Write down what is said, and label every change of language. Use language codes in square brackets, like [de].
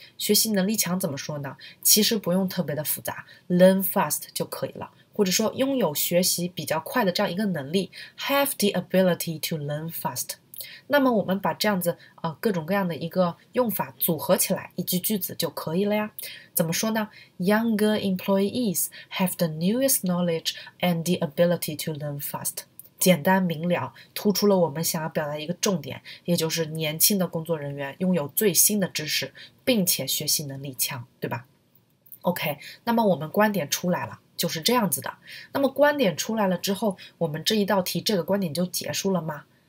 [zh] 学习能力强怎么说呢？其实不用特别的复杂， learn fast 就可以了，或者说拥有学习比较快的这样一个能力， [en] have the ability to learn fast。 [zh] 那么我们把这样子各种各样的一个用法组合起来一句句子就可以了呀。怎么说呢？ [en] younger employees have the newest knowledge and the ability to learn fast。 [zh] 简单明了，突出了我们想要表达一个重点，也就是年轻的工作人员拥有最新的知识，并且学习能力强，对吧？ OK， 那么我们观点出来了，就是这样子的。那么观点出来了之后，我们这一道题这个观点就结束了吗？